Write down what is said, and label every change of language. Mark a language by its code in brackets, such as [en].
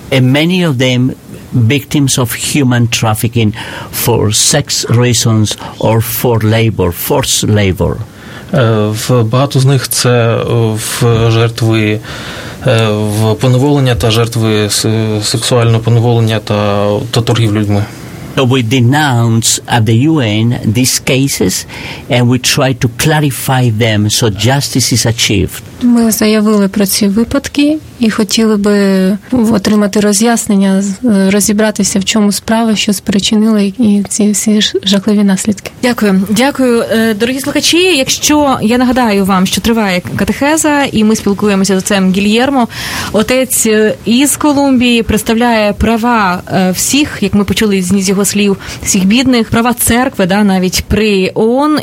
[en] And many of them victims of human trafficking for sex reasons or for labor, forced labor. [uk] В багато з них це в жертви в поневолення та жертви сексуального поневолення та торгів людьми. [en] So we denounce at the UN these cases and we try to clarify them so justice is achieved. [uk] Ми заявили про ці випадки і хотіли би отримати роз'яснення, розібратися, в чому справа, що спричинило і ці всі жахливі наслідки. Дякую. Дякую, дорогі слухачі. Якщо я нагадаю вам, що триває катехеза, і ми спілкуємося з отцем Гільєрмо, отець із Колумбії представляє права всіх, як ми почули з його слів, всіх бідних, права церкви, да, навіть при ООН.